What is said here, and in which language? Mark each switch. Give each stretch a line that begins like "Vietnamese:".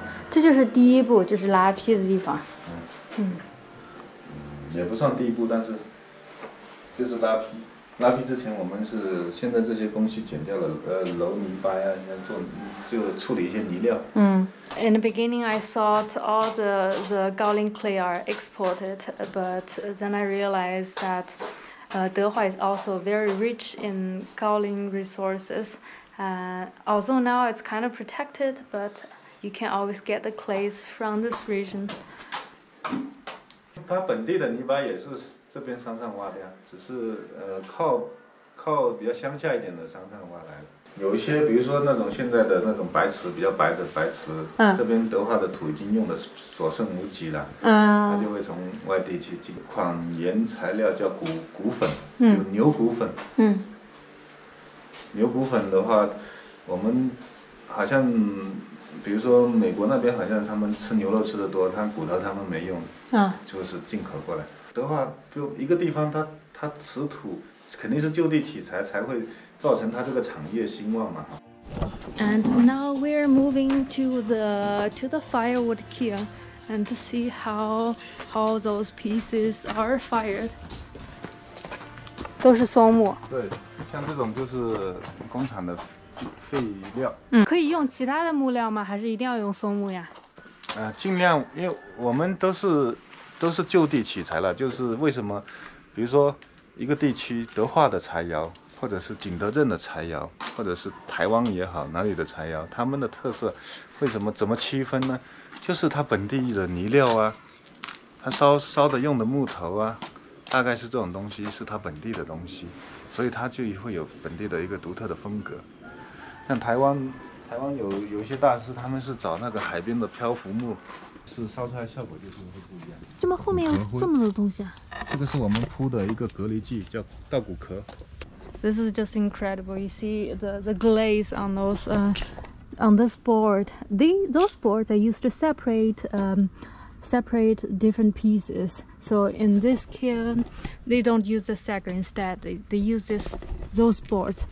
Chinese: 这就是第一步，就是拉坯的地方。嗯，也不算第一步，但是就是拉坯。拉坯之前，我们是现在这些东西剪掉了，揉泥巴呀，就处理一些泥料。
English: 嗯 ，In the beginning, I thought all the Gaoling clay are exported, but then I realized that, Dehua is also very rich in Gaoling resources. Although now it's kind of protected, but you can always get the clays from this region.
Chinese: 它本地的泥巴也是这边山上挖的呀，只是靠比较乡下一点的山上挖来的。有一些，比如说那种现在的那种白瓷，比较白的白瓷，这边德化的土已经用的所剩无几了，它就会从外地去进款原材料，叫骨粉，就牛骨粉。嗯。牛骨粉的话，我们好像，比如说美国那边好像他们吃牛肉吃的多，他骨头他们没用，就是进口过来。德化就一个地方，它瓷土肯定是就地取材，才会造成它这个产业兴旺嘛。
English: And now we're moving to the firewood kiln and to see how those pieces are fired.
Chinese: 都是松木。对，像这种就是工厂的废料。嗯，可以用其他的木料吗？还是一定要用松木呀？尽量，因为我们都是就地取材了，就是为什么比如说一个地区德化的柴窑，或者是景德镇的柴窑，或者是台湾也好哪里的柴窑，他们的特色为什么怎么区分呢？就是他本地的泥料啊，他烧的用的木头啊，大概是这种东西是他本地的东西，所以他就会有本地的一个独特的风格。像台湾有一些大师，他们是找那个海边的漂浮木，是烧出来效果就是会不一样。这么后面有这么多东西啊？这个是我们铺的一个隔离剂，叫稻谷壳。
English: This is just incredible. You see the glaze on those on this board. Those boards are used to separate different pieces. So in this kiln, they don't use the sacker. Instead, they use those boards.